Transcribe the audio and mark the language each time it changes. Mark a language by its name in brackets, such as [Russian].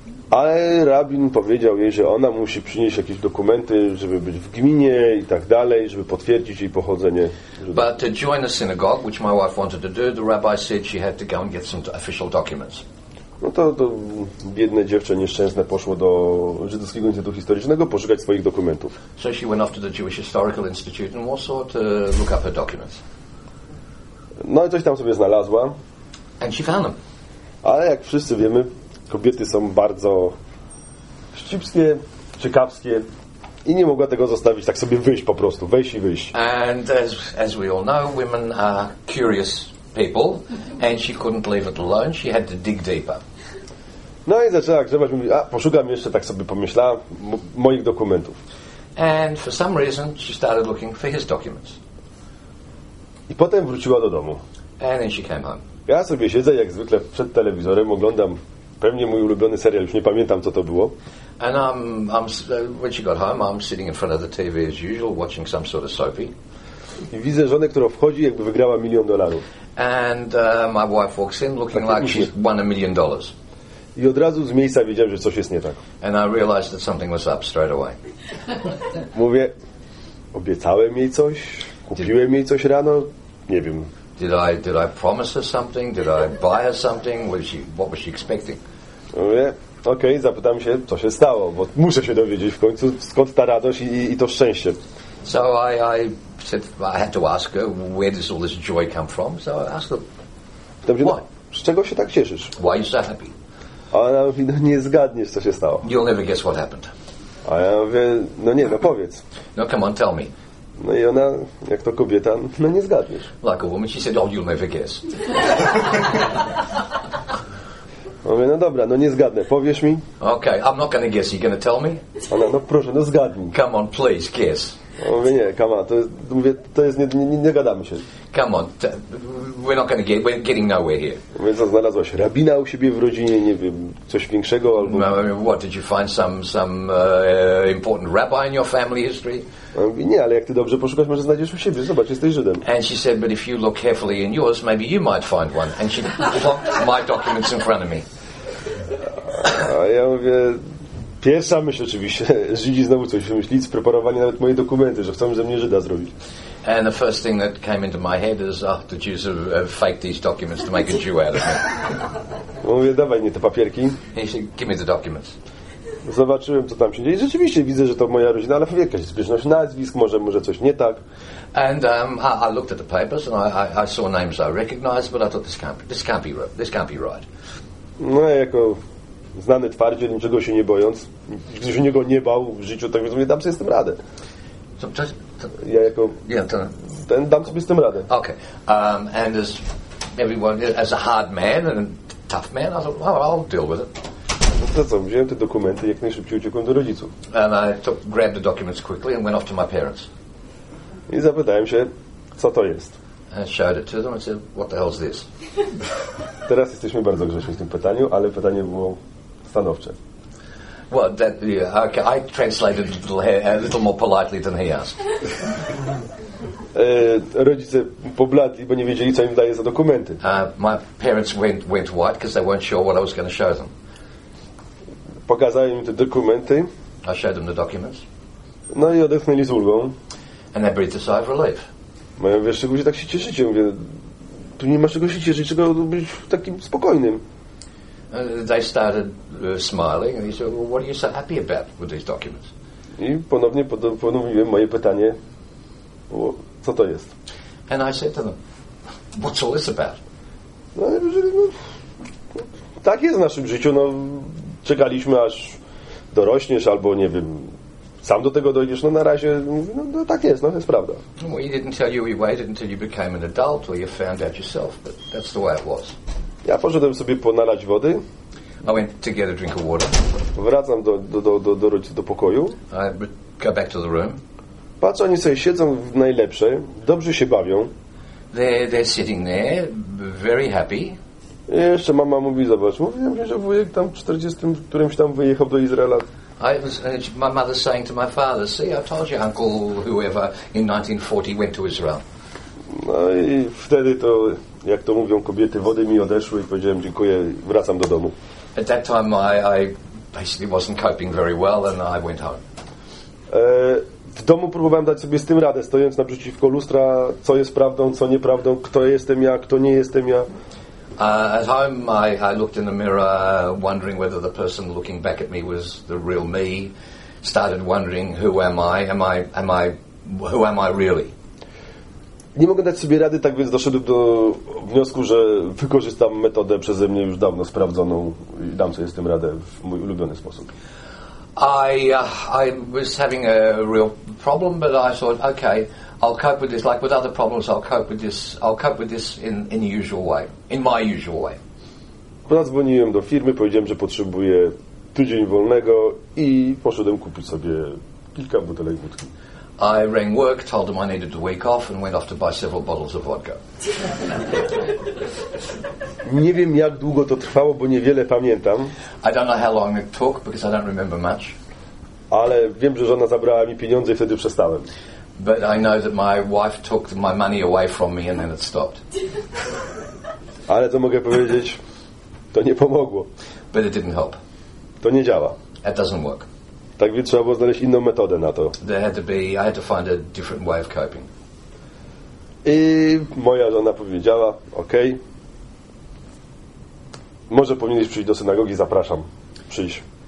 [Polish] Ale rabin powiedział jej, że ona musi przynieść jakieś dokumenty, żeby być w gminie i tak dalej, żeby potwierdzić jej pochodzenie. [English] But to join the synagogue, which my wife wanted to do, the rabbi said she had to go and get some official documents. [Polish] No to, to biedne dziewczę nieszczęsne poszło do Żydowskiego Instytutu Historycznego poszukać swoich dokumentów. [English] So she went off to the Jewish Historical Institute in Warsaw to look up her documents. [Polish] No i coś tam sobie znalazła. [English] And she found them. [Polish] Ale jak wszyscy wiemy, kobiety są bardzo szczypskie, ciekawskie i nie mogła tego zostawić, tak sobie wyjść po prostu, wejść i wyjść. [English] And as we all know, women are curious people and she couldn't leave it alone, she had to dig deeper. [Polish] No i zaczęła grzebać, mówi, a poszukam jeszcze, tak sobie pomyślała, moich dokumentów. [English] And for some reason she started looking for his documents. [Polish] I potem wróciła do domu. [English] And then she came home. [Polish] Ja sobie siedzę, jak zwykle przed telewizorem, oglądam pewnie mój ulubiony serial, już nie pamiętam co to było. [English] And when she got home, I'm sitting in front of the TV as usual, watching some sort of soapy. [Polish] I widzę żonę, która wchodzi, jakby wygrała milion dolarów. [English] And my wife walks in, looking [Polish] tak, [English] like she's won $1 million. [Polish] I od razu z miejsca wiedziałem, że coś jest nie tak. [English] And I realized that something was up straight away. [Polish] Mówię, obiecałem jej coś, kupiłem jej coś rano, nie wiem. [English] Did I promise her something? Did I buy her something? What was she expecting? [Polish] Okay, zapytam się, co się stało, bo muszę się dowiedzieć w końcu, skąd ta radość i to szczęście. [English] So I said I had to ask her, where does all this joy come from? So I asked her, [Polish] pytam się, [English] why? [Polish] Z czego się tak cieszysz? [English] Why are you so happy? [Polish] A ona mówi, no nie zgadniesz, co się stało. [English] You'll never guess what happened. [Polish] A ja mówię, no nie, no powiedz. [English] No come on, tell me. [Polish] No i ona, jak to kobieta, no nie zgadniesz. [English] Like a woman, she said, oh, you'll never guess. [Polish] Mówię, no dobra, no nie zgadnę, powiesz mi. [English] Okay, I'm not gonna guess, you gonna tell me? [Polish] Ona, no proszę, no zgadnij. [English] Come on, please, guess. [Polish] Mówię, nie, [English] come on, [Polish] to jest, nie gadamy się. [English] Come on, we're not gonna get, we're getting nowhere here. [Polish] Mówię, co znalazłaś, rabina u siebie w rodzinie, nie wiem, coś większego albo... [English] No, I mean, what, did you find some important rabbi in your family history? [Polish] Ona mówi, nie, ale jak ty dobrze poszukasz, może znajdziesz u siebie. Zobacz, jesteś Żydem. [English] And she said, but if you look carefully in yours, maybe you might find one. And she plopped my documents in front of me. [Polish] A ja mówię, pierwsza myśl oczywiście, Żydzi znowu coś wymyślić, spreparowali nawet moje dokumenty, że chcą ze mnie Żyda zrobić. [English] And the first thing that came into my head is, oh, the Jews have faked these documents to make a Jew out of me. [Polish] Mówię, dawaj mnie te papierki. [English] He said, give me the documents. [Polish] Zobaczyłem, co tam się dzieje. Rzeczywiście widzę, że to moja rodzina, ale jakaś zbieżność nazwisk, może coś nie tak. [English] And I looked at the papers and I saw names I recognized, but I thought this can't be right. [Polish] No ja jako znany twardziel, niczego się nie bojąc, gdy się niego nie bał w życiu, tak więc mówię, dam sobie z tym radę. Ja jako ten dam sobie z tym radę. [English] Okay. And as everyone, as a hard man and a tough man, I thought, well, I'll deal with it. [Polish] No co, wziąłem te dokumenty i jak najszybciej uciekłem do rodziców. [English] And I grabbed the documents quickly and went off to my parents. [Polish] I zapytałem się, co to jest. [English] And I showed it to them and said, what the hell's this? [Polish] Teraz jesteśmy bardzo grzeczni w tym pytaniu, ale pytanie było stanowcze. [English] Well, that, yeah, okay, I translated a little more politely than he asked. [Polish] Rodzice pobladli, bo nie wiedzieli, co im daje za dokumenty. [English] My parents went white because they weren't sure what I was going to show them. [Polish] Pokazałem im te dokumenty. [English] I showed them the documents. [Polish] No i odetchnęli z ulgą. [English] And they breathed a sigh of relief. [Polish] Mówię, wiesz, czego się tak się cieszycie? Mówię, tu nie masz czego się cieszyć, czego być takim spokojnym. [English] They started smiling and he said, well, what are you so happy about with these documents? [Polish] I ponownie ponowiłem moje pytanie, co to jest? [English] And I said to them, what's all this about? [Polish] No, no, tak jest w naszym życiu. No, czekaliśmy, aż dorośniesz, albo nie wiem, sam do tego dojdziesz. No na razie, no, no tak jest, no jest prawda. [English] Well, he didn't tell you he waited until you became an adult or you found out yourself, but that's the way it was. [Polish] Ja poszedłem sobie ponalać wody. [English] I went to get a drink of water. [Polish] Wracam do pokoju. [English] I go back to the room. [Polish] Patrzę, oni sobie siedzą w najlepsze, dobrze się bawią. [English] They're sitting there, very happy. [Polish] I jeszcze mama mówi, zobacz, mówiłem mi, że wujek tam w 40, którymś tam wyjechał do Izraela. [English] I was, my mother saying to my father, see, I told you, uncle, whoever, in 1940 went to Israel. [Polish] No i wtedy to, jak to mówią kobiety, wody mi odeszły i powiedziałem, dziękuję, wracam do domu. [English] At that time I basically wasn't coping very well and I went home. [Polish] W domu próbowałem dać sobie z tym radę, stojąc naprzeciwko lustra, co jest prawdą, co nieprawdą, kto jestem ja, kto nie jestem ja. [English] At home I looked in the mirror, wondering whether the person looking back at me was the real me. Started wondering, who am I? Who am I really? [Polish] Nie mogę dać sobie rady, tak więc doszedłem do wniosku, że wykorzystam metodę przeze mnie już dawno sprawdzoną i dam sobie z tym radę w mój ulubiony sposób. [English] I was having a real problem, but I thought, okay, I'll cope with this. Like with other problems, I'll cope with this in the usual way, in my usual way. [Polish] Zadzwoniłem do firmy, powiedziałem, że potrzebuję tydzień wolnego i poszedłem kupić sobie kilka butelek wódki. [English] I rang work, told them I needed the week off and went off to buy several bottles of vodka. [Polish] Nie wiem, jak długo to trwało, bo niewiele pamiętam. [English] I don't know how long it took because I don't remember much. [Polish] Ale wiem, że żona zabrała mi pieniądze i wtedy przestałem. [English] But I know that my wife took my money away from me and then it stopped. [Polish] Ale to mogę powiedzieć, to nie pomogło. [English] But it didn't help. [Polish] To nie działa. [English] It doesn't work. [Polish] Tak więc trzeba było znaleźć inną metodę na to. [English] There had to be, I had to find a different way of coping. [Polish] I moja żona powiedziała, okej, okay, może powinieneś przyjść do synagogi, zapraszam, przyjdź.